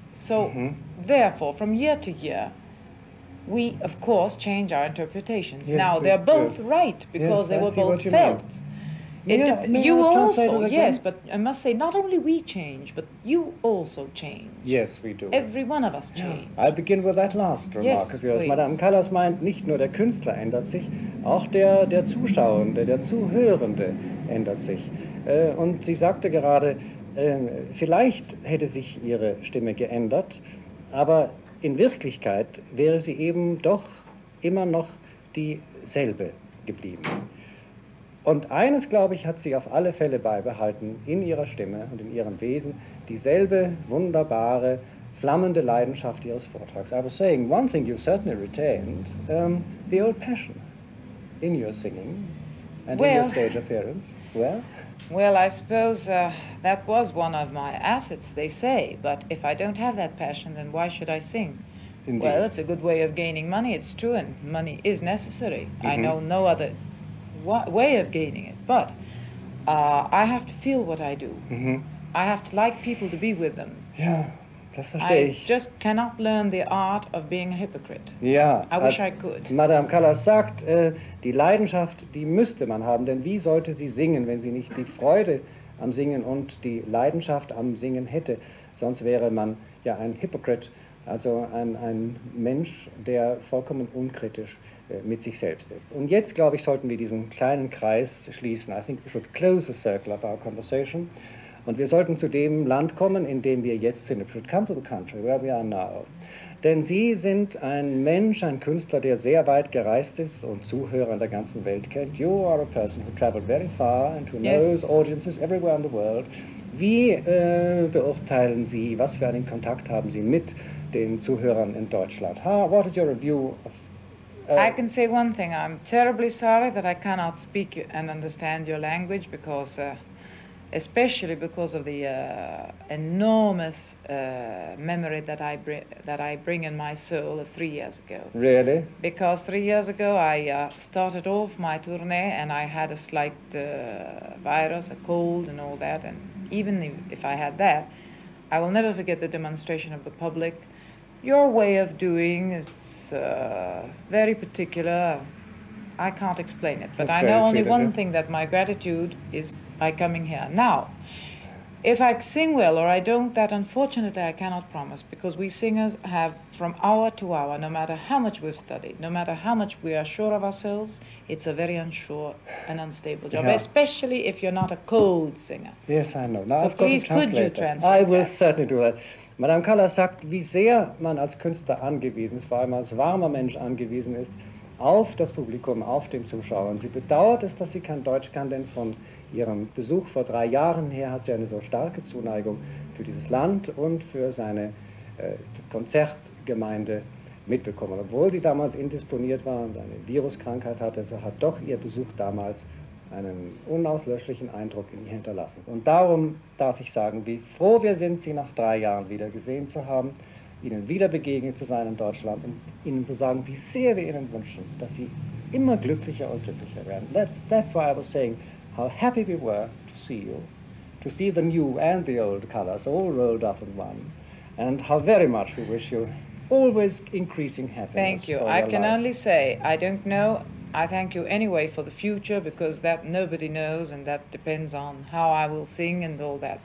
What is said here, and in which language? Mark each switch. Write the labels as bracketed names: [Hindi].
[English] So, therefore, from year to year, we, of course, change our interpretations. Yes, now, they're both right, because they were I see both what you felt. Mean. You I also, again? Yes, but I must say, not only we change, but you also change. Yes, we do. Every one of us change. I'll begin with that last remark yes, of yours. Please. [German] Madame Callas meint, nicht nur der Künstler ändert sich, auch der Zuschauende, der Zuhörende ändert sich. Und sie sagte gerade, vielleicht hätte sich ihre Stimme geändert, aber in Wirklichkeit wäre sie eben doch immer noch dieselbe geblieben. Und eines, glaube ich, hat sie auf alle Fälle beibehalten, in ihrer Stimme und in ihrem Wesen, dieselbe wunderbare, flammende Leidenschaft ihres Vortrags. [English] I was saying, one thing you've certainly retained, the old passion in your singing and well, in your stage appearance. Well? Well, I suppose that was one of my assets, they say, but if I don't have that passion, then why should I sing? Indeed. Well, it's a good way of gaining money, it's true, and money is necessary. Mm-hmm. I know no other way of gaining it, but I have to feel what I do. Mm-hmm. I have to like people to be with them. [German] Yeah, das verstehe [English] I [German] ich. [English] I just cannot learn the art of being a hypocrite. Yeah, I wish I could. [German] Madame Callas sagt, die Leidenschaft, die müsste man haben, denn wie sollte sie singen, wenn sie nicht die Freude am Singen und die Leidenschaft am Singen hätte? Sonst wäre man ja ein Hypocrite, also ein Mensch, der vollkommen unkritisch mit sich selbst ist. Und jetzt, glaube ich, sollten wir diesen kleinen Kreis schließen. [English] I think we should close the circle of our conversation. [German] Und wir sollten zu dem Land kommen, in dem wir jetzt sind. [English] We should come to the country, where we are now. [German] Denn Sie sind ein Mensch, ein Künstler, der sehr weit gereist ist und Zuhörer in der ganzen Welt kennt. [English] You are a person who traveled very far and who knows yes. audiences everywhere in the world. [German] Wie beurteilen Sie, was für einen Kontakt haben Sie mit den Zuhörern in Deutschland? [English] What is your review of I can say one thing. I'm terribly sorry that I cannot speak and understand your language because, especially because of the enormous memory that I bring in my soul of 3 years ago. Really? Because 3 years ago I started off my tournée and I had a slight virus, a cold and all that. And even if I had that, I will never forget the demonstration of the public. Your way of doing it's very particular. I can't explain it, but That's I know sweet, only one it? Thing that my gratitude is by coming here. Now, If I sing well or I don't, that unfortunately I cannot promise, because we singers have, from hour to hour, no matter how much we've studied, no matter how much we are sure of ourselves, it's a very unsure and unstable job, especially if you're not a cold singer. Yes, I know. Now, so I've please, could you translate? I will certainly do that. [German] Madame Callas sagt, wie sehr man als Künstler angewiesen ist, vor allem als warmer Mensch angewiesen ist, auf das Publikum, auf den Zuschauer. Und sie bedauert es, dass sie kein Deutsch kann, denn von ihrem Besuch vor 3 Jahren her hat sie eine so starke Zuneigung für dieses Land und für seine Konzertgemeinde mitbekommen. Obwohl sie damals indisponiert war und eine Viruskrankheit hatte, so hat doch ihr Besuch damals einen unauslöschlichen Eindruck in ihr hinterlassen. Und darum darf ich sagen, wie froh wir sind, Sie nach 3 Jahren wieder gesehen zu haben, Ihnen wieder begegnet zu sein in Deutschland und Ihnen zu sagen, wie sehr wir Ihnen wünschen, dass Sie immer glücklicher und glücklicher werden. [English] That's why I was saying how happy we were to see you, to see the new and the old colors all rolled up in one, and how very much we wish you always increasing happiness. Thank you. I can only say, I don't know, I thank you anyway for the future, because that nobody knows, and that depends on how I will sing and all that.